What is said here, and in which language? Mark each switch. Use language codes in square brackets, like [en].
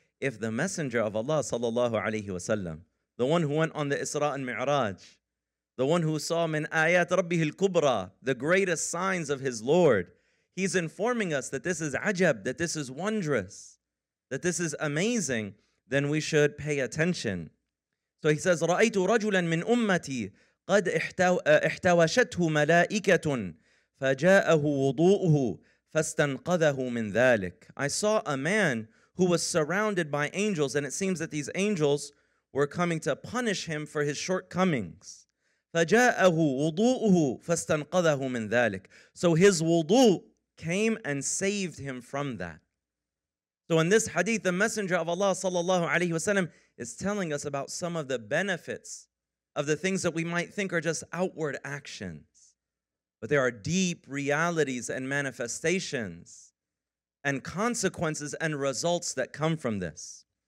[en] If the Messenger of Allah, sallallahu alayhi wa sallam, the one who went on the Isra and Mi'raj, the one who saw [ar] min ayat rabbihi al-kubra, [en] the greatest signs of his Lord, he's informing us that this is ajab, that this is wondrous, that this is amazing, then we should pay attention. So he says, [ar] رأيت رجلا من أمتي قد احتوشته ملائكة فجاءه وضوءه فاستنقذه من ذلك. [en] I saw a man who was surrounded by angels, and it seems that these angels were coming to punish him for his shortcomings. [ar] فجاءه وضوءه فاستنقذه من ذلك. [en] So his wudu came and saved him from that. So in this hadith, the Messenger of Allah sallallahu alayhi wasallam is telling us about some of the benefits of the things that we might think are just outward actions. But there are deep realities and manifestations and consequences and results that come from this.